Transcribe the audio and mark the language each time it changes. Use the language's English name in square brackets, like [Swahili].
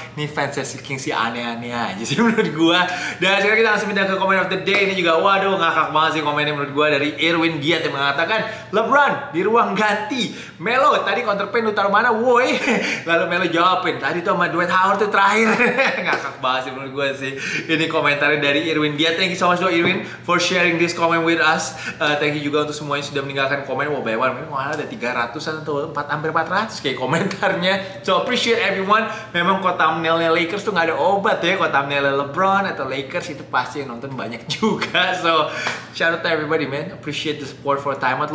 [Indonesian] Ini fansnya si Kings sih aneh-aneh aja sih menurut gue. Dan sekarang kita langsung pindah ke [English] comment of the day. [Indonesian] Ini juga waduh ngakak banget sih komennya menurut gue dari Irwin Giat yang mengatakan LeBron di ruang ganti, Melo tadi counterpain lu taruh mana woy. Lalu Melo jawabin, tadi tuh sama Dwight Howard tuh terakhir. Ngakak banget sih menurut gue sih. Ini komentarnya dari Irwin Giat. [English] Thank you so much though Irwin for sharing this comment with us. [Indonesian] Thank you juga untuk semuanya sudah meninggalkan komen. Wow, bayar one, mungkin ada 300 atau 400 kayak komentarnya. [English] So appreciate everyone. [Indonesian] Memang kota thumbnailnya Lakers tuh gak ada obat ya. Kota thumbnailnya LeBron atau Lakers itu pasti yang nonton banyak juga. [English] So shout out to everybody man, appreciate the support for Time Out.